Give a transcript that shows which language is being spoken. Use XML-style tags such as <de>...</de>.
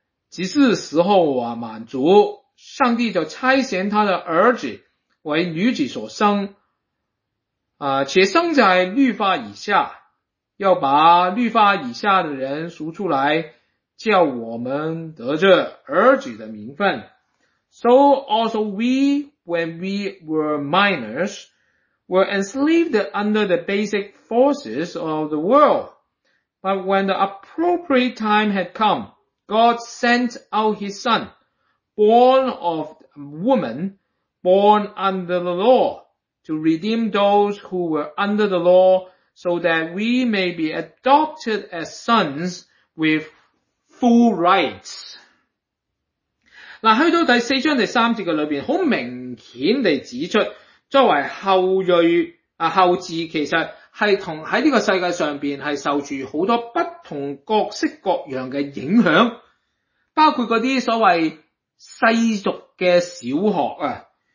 <zh>只是时候满足，上帝就差遣他的儿子为女子所生，且生在律法以下，要把律法以下的人赎出来，叫我们得着儿子的名分。</zh> <en>So also we when we were minors, were enslaved under the basic forces of the world. But when the appropriate time had come, God sent out his son, born of woman, born under the law, to redeem those who were under the law, so that we may be adopted as sons with full rights.</en> <zh>去到第四章第三节里面，很明显地指出，作为后裔后嗣，其实是同在这个世界上面是受住很多不同各式各样的影响，包括那些所谓世俗的小学。</zh>